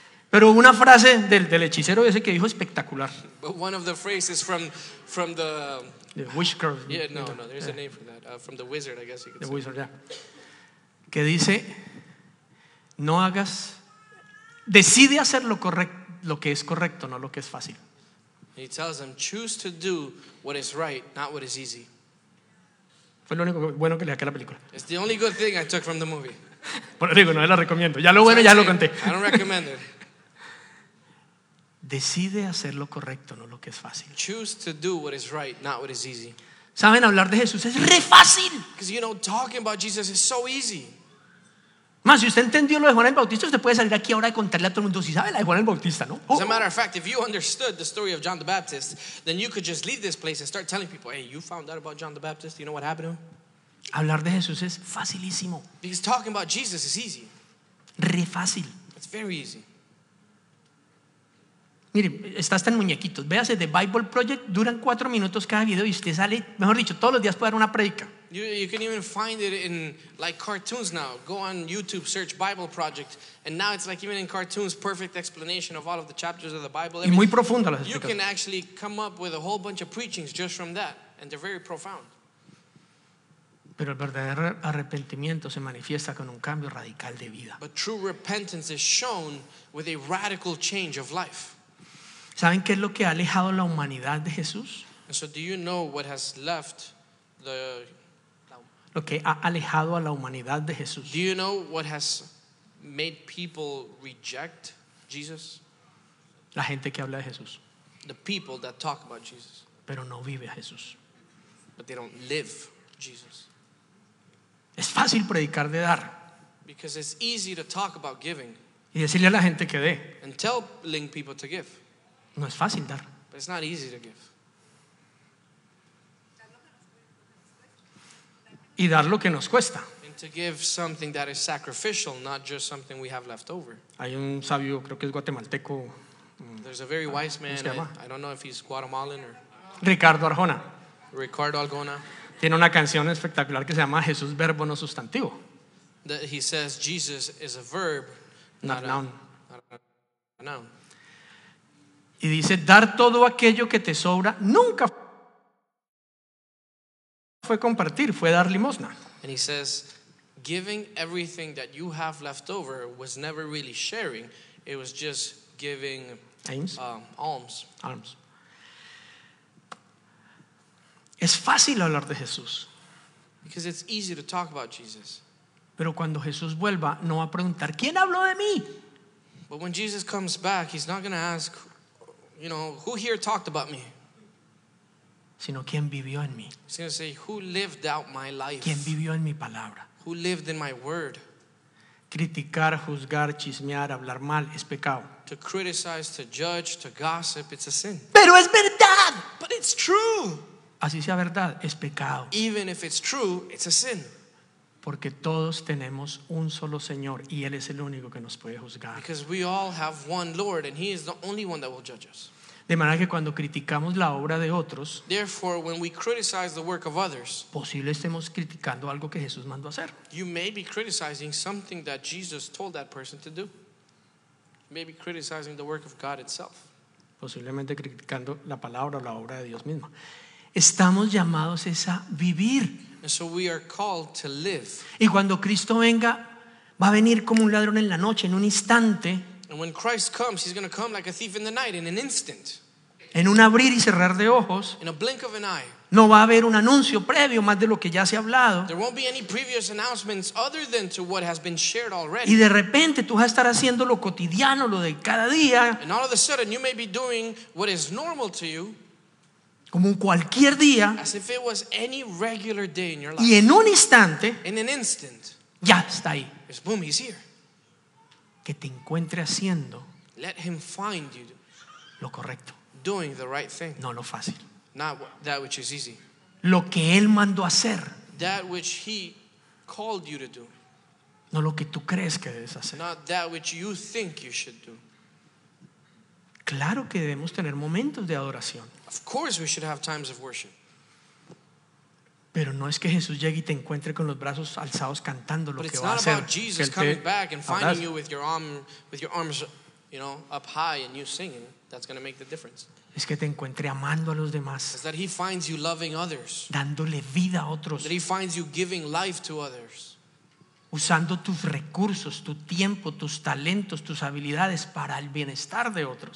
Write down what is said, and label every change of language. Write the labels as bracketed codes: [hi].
[es] Pero una frase del hechicero ese que dijo espectacular. [en] But one of the phrases from the Witch curve. Yeah, no, there's a name for that. From the wizard, I guess you could the say. The wizard, yeah. [es] Que dice, no hagas, decide hacer lo que es correcto, no lo que es fácil. [en] He tells them, choose to do what is right, not what is easy. [es] Fue lo único bueno que le saqué a la película. [en] It's the only good thing I took from the movie. [es] Pero digo, no la recomiendo. Ya lo bueno, ya lo conté. [en] I don't recommend it. [es] Decide hacer lo correcto, no lo que es fácil. [en] Choose to do what is right, not what is easy. [es] ¿Saben hablar de Jesús? Es re fácil. [en] Because you know, talking about Jesus is so easy. [es] Más, si usted entendió lo de Juan el Bautista, usted puede salir aquí ahora y contarle a todo el mundo si sabe la de Juan el Bautista, ¿no? [en] As a matter of fact, if you understood the story of John the Baptist, then you could just leave this place and start telling people, hey, you found out about John the Baptist, you know what happened to him? [es] Hablar de Jesús es facilísimo. [en] Because talking about Jesus is easy. [es] Re fácil. [en] It's very easy. [es] Mire, está hasta en muñequitos. Véase The Bible Project, duran 4 minutos cada video y usted sale, mejor dicho, todos los días puede dar una predica. [en] You can even find it in like cartoons now. Go on YouTube, search Bible Project, and now it's like even in cartoons, perfect explanation of all of the chapters of the Bible. [es] Y muy profunda las explicaciones. [en] You can actually come up with a whole bunch of preachings just from that, and they're very profound. [es] Pero el verdadero arrepentimiento se manifiesta con un cambio radical de vida. [en] But true repentance is shown with a radical change of life. [es] ¿Saben qué es lo que ha alejado la humanidad de Jesús? [en] So do you know what has left the [es] lo que ha alejado a la humanidad de Jesús? [en] Do you know what has made people reject Jesus? [es] La gente que habla de Jesús. [en] The people that talk about Jesus. [es] Pero no vive a Jesús. [en] But they don't live Jesus. [es] Es fácil predicar de dar. [en] Because it's easy to talk about giving. [es] Y decirle a la gente que dé. [en] And telling people to give. [es] No es fácil dar. [en] But it's not easy to give. [es] Y dar lo que nos cuesta. [en] And to give something that is sacrificial, not just something we have left over. [es] Hay un sabio, creo que es guatemalteco. [en] There's a very wise man. I don't know if he's Guatemalan or Ricardo Arjona. Ricardo Arjona. [es] Tiene una canción espectacular que se llama Jesús verbo no sustantivo. [en] That he says Jesus is a verb, not a noun. [es] Y dice, dar todo aquello que te sobra nunca fue compartir, fue dar limosna. [en] And he says, giving everything that you have left over was never really sharing. It was just giving alms. [es] Es fácil hablar de Jesús. [en] Because it's easy to talk about Jesus. [es] Pero cuando Jesús vuelva, no va a preguntar, ¿quién habló de mí? [en] But when Jesus comes back, he's not going to ask, you know, who here talked about me? [es] Sino quien vivió en mí. [en] He's going to say, who lived out my life? [es] Quien vivió en mi palabra. [en] Who lived in my word? [es] Criticar, juzgar, chismear, hablar mal, es pecado. [en] To criticize, to judge, to gossip, it's a sin. [es] Pero es verdad. [en] But it's true. [es] Así sea verdad, es pecado. [en] Even if it's true, it's a sin. [es] Porque todos tenemos un solo Señor y Él es el único que nos puede juzgar. [en] Because we all have one Lord and He is the only one that will judge us. [es] De manera que cuando criticamos la obra de otros, [en] therefore, when we criticize the work of others, [es] posible estemos criticando algo que Jesús mandó hacer. [en] You may be criticizing something that Jesus told that person to do. You may be criticizing the work of God itself. [es] Posiblemente criticando la palabra o la obra de Dios mismo. Estamos llamados a vivir. [en] And so we are called to live. [es] Y cuando Cristo venga, va a venir como un ladrón en la noche, en un instante. [en] And when Christ comes, he's going to come like a thief in the night, in an instant. [es] En un abrir y cerrar de ojos. [en] In a blink of an eye. [es] No va a haber un anuncio previo más de lo que ya se ha hablado. [en] There won't be any previous announcements other than to what has been shared already. [es] Y de repente tú vas a estar haciendo lo cotidiano, lo de cada día. [en] And all of a sudden you may be doing what is normal to you. [es] Como cualquier día. [en] As if it was any regular day in your life. [es] Y en un instante. [en] In an instant. [es] Ya está ahí. [en] It's boom, he's here. [es] Que te encuentre haciendo. [en] Let him find you. [es] Lo correcto. [en] Doing the right thing. [es] No lo fácil. [en] Not that which is easy. [es] Lo que él mandó hacer. [en] That which he called you to do. [es] No lo que tú crees que debes hacer. [en] Not that which you think you should do. [es] Claro que debemos tener momentos de adoración. [en] Of course we should have times of worship. [es] Pero no es que Jesús llegue y te encuentre con los brazos alzados cantando lo [en] but [es] que va a hacer. [en] But it's not about Jesus coming back and finding you with your arm, with your arms, you know, up high and you singing. That's going to make the difference. [es] Es que te encuentre amando a los demás. [en] It's that he finds you loving others. [es] Dándole vida a otros. [en] That he finds you giving life to others. [es] Usando tus recursos, tu tiempo, tus talentos, tus habilidades para el bienestar de otros.